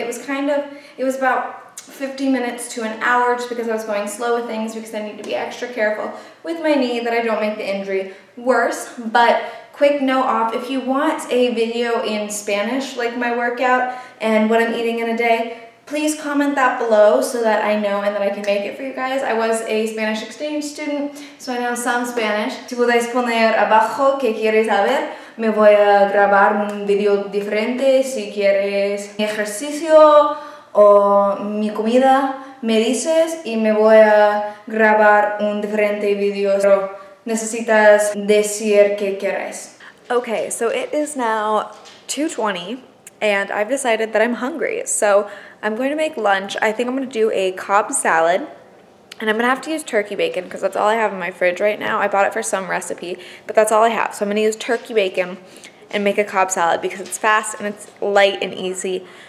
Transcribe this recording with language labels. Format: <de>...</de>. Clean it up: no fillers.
<en>It was about 50 minutes to an hour just because I was going slow with things because I need to be extra careful with my knee that I don't make the injury worse. But quick note off, if you want a video in Spanish, like my workout and what I'm eating in a day, please comment that below so that I know and that I can make it for you guys. I was a Spanish exchange student, so I know some Spanish.</en> <es>Si podéis poner abajo qué quieres saber, me voy a grabar un video diferente. Si quieres mi ejercicio o mi comida, me dices y me voy a grabar un diferente video. Pero necesitas decir qué quieres.</es> <en>Okay, so it is now 2:20 and I've decided that I'm hungry. So I'm going to make lunch. I think I'm going to do a Carb salad, and I'm going to have to use turkey bacon because that's all I have in my fridge right now. I bought it for some recipe, but that's all I have. So I'm going to use turkey bacon and make a Carb salad because it's fast and it's light and easy.</en>